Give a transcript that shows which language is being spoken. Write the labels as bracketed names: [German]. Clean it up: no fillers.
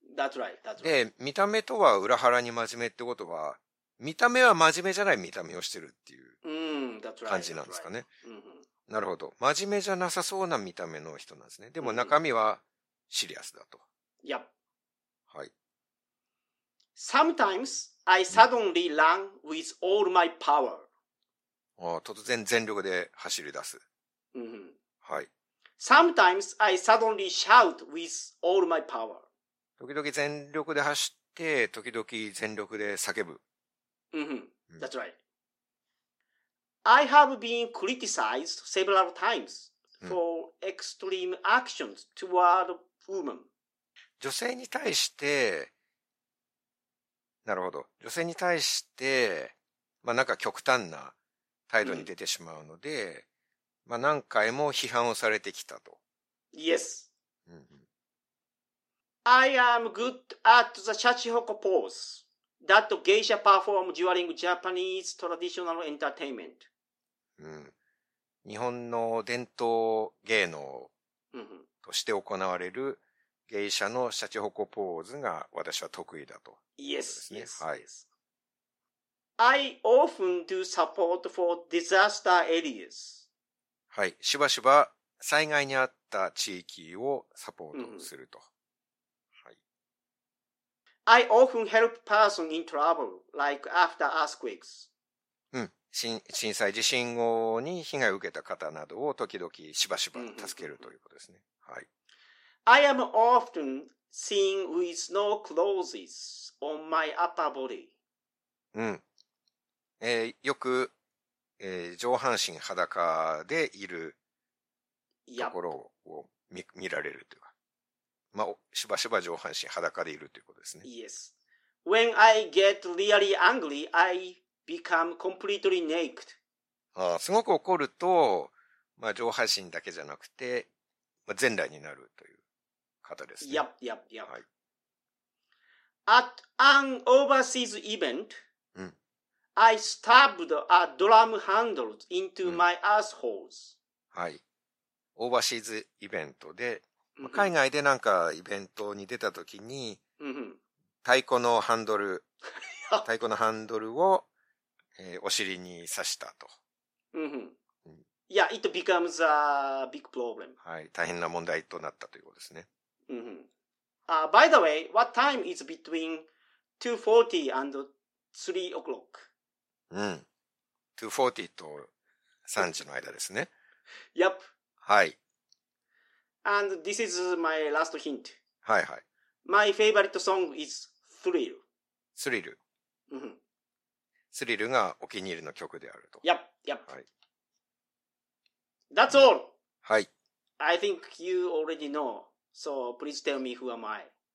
[English] That's right, that's right. [Japanese] で、見た目とは裏腹に真面目ってことは、見た目は真面目じゃない見た目をしてるっていう感じなんですかね。 [English] Mm, right. mm-hmm. [Japanese] なるほど。真面目じゃなさそうな見た目の人なんですね。でも中身はシリアスだと。 [English] Yep. [Japanese] はい。 [English] Sometimes I suddenly run with all my power. [Japanese] ああ、突然全力で走り出す。 Mm-hmm. はい。 [English] Sometimes I suddenly shout with all my power. [Japanese] 時々全力で走って、時々全力で叫ぶ。 [English] Mm-hmm. That's right. I have been criticized several times for extreme actions toward women. [Japanese] 女性に対して、なるほど。女性に対して、まあなんか極端な態度に出てしまうので、まあ何回も批判をされてきたと。 [English] Yes. I am good at the shachihoko pose that geisha perform during Japanese traditional entertainment.、 [Japanese] うん、日本の伝統芸能として行われる芸者のシャチホコポーズが私は得意だと、 [English] ね。Yes, yes, [Japanese] はい、 [English] yes. I often do support for disaster areas. [Japanese] はい、しばしば災害にあった地域をサポートすると。うん、 [English] I often help person in trouble, like after earthquakes. [Japanese] うん、震災地震後に被害を受けた方などを時々しばしば助けるということですね。はい。 [English] I am often seen with no clothes on my upper body. うん。 [Japanese] よく、上半身裸でいるところを見られるというか。まあ、しばしば上半身裸でいるということですね。 [English] Yes. When I get really angry, I become completely naked. [Japanese] ああ、すごく怒ると、まあ、上半身だけじゃなくて、まあ、全裸になるという方ですね。 [English] Yep, yep, yep.、はい、At an overseas event,、うん、 I stabbed a drum handle into my assholes.、うん、 [Japanese] はい。オーバーシーズイベントで、まあ、海外でなんかイベントに出たときに、太鼓のハンドル、太鼓のハンドルを、お尻に刺したと。 [English] Yeah, it becomes a big problem. [Japanese] はい、大変な問題となったということですね。 [English] By the way, what time is between 2:40 and 3 o'clock? [Japanese] うん。2:40 と3時の間ですね。 [English] Yep. [Japanese] はい。 [English] And this is my last hint. [Japanese] はいはい。 [English] My favorite song is Thrill. Thrill. [Japanese] スリルがお気に入りの曲であると。 [English] Yep, yep. はい。That's all! [Japanese] はい。 [English] I think you already know, so please tell me who am I.